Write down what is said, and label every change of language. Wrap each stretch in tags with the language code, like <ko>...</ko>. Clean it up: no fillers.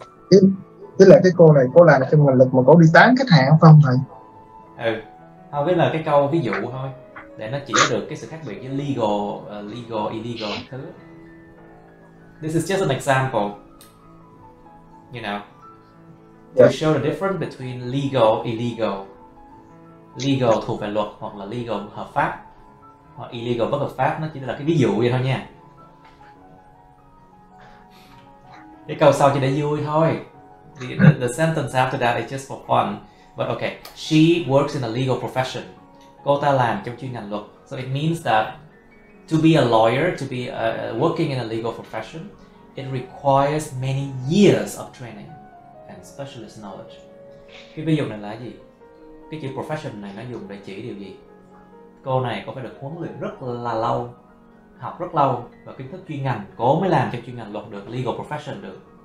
<vi>Ý là cái cô này cô làm trong ngành luật mà cô đi tán khách hàng không phải thầy? Ừ. Không, biết là cái câu ví dụ thôi. Để nó chỉ được cái sự khác biệt giữa legal, legal, illegal thứ.</vi> <en>This is just an example. You know. Yeah. To show the difference between legal, illegal.</en> <vi>Legal thuộc về luật hoặc là legal hợp pháp. Hoặc illegal bất hợp pháp, nó chỉ là cái ví dụ vậy thôi nha. Cái câu sau chỉ để vui thôi.</vi> <en>The sentence after that is just for fun. But okay, she works in a legal profession.</en> <vi>Cô ta làm trong chuyên ngành luật.</vi> <en>So it means that to be a lawyer, to be working in a legal profession, It requires many years of training and specialist knowledge.</en> <vi>Cái ví dụ này là gì? Cái chữ profession này nó dùng để chỉ điều gì? Cô này có phải được huấn luyện rất là lâu, học rất lâu và kiến thức chuyên ngành, cô mới làm cho chuyên ngành luật được, legal profession được.</vi>